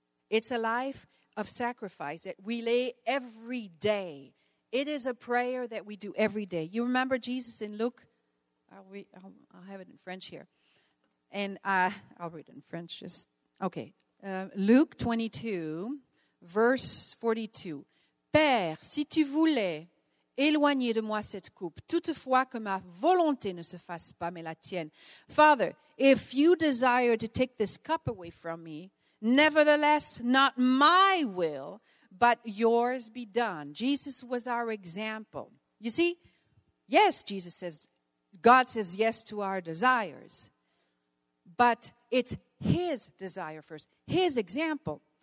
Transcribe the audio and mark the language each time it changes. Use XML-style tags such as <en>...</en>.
<en>It's a life of sacrifice that we lay every day. It is a prayer that we do every day. You remember Jesus in Luke? I'll have it in French here. And I'll read it in French. Okay. Luke 22, verse 42.</en> <fr>Père, si tu voulais, éloignez de moi cette coupe, toutefois que ma volonté ne se fasse pas, mais la tienne.</fr> <en>Father, if you desire to take this cup away from me, nevertheless, not my will, but yours be done. Jesus was our example. You see, yes, Jesus says, God says yes to our desires, but it's his desire first, his example.</en>